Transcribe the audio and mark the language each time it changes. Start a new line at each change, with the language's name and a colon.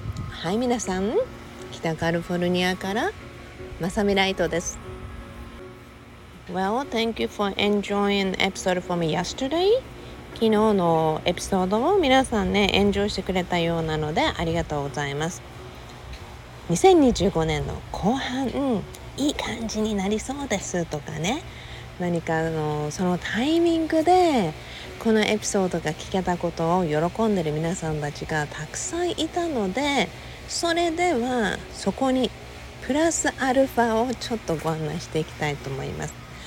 Japanese: はい、皆さん、北カリフォルニアからマサミライトです。
English: Well, thank you for enjoying episode for me yesterday.
Japanese: 昨日のエピソードを皆さんね、エンジョイしてくれたようなのでありがとうございます。 2025年の後半、いい感じになりそうですとかね、何かのそのタイミングでこのエピソードが聞けたことを喜んでる皆さんたちがたくさんいたので、それではそこにプラスアルファをちょっとご案内していきたいと思います。